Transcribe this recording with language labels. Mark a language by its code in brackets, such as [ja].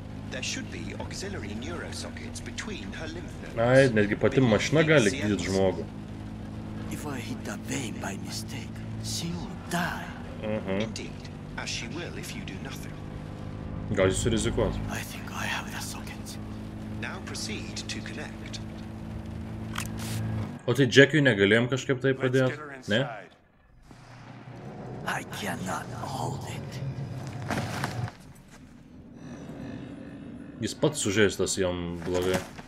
[en] There should be auxiliary neurosockets between her lymph nodes. [lt] Ai, netgi pati mašina gali gydyt žmogų. [en] If I hit that vein by mistake, she will die. Indeed, as she will if you do nothing. [lt] Gal jis surizikuos. [en] I think I have the socket. Now proceed to connect. [lt] O tai Jackui negalėjom kažkaip tai padėti, ne? [en] I cannot hold it. [lt] Jis pats sužeistas jam blogai.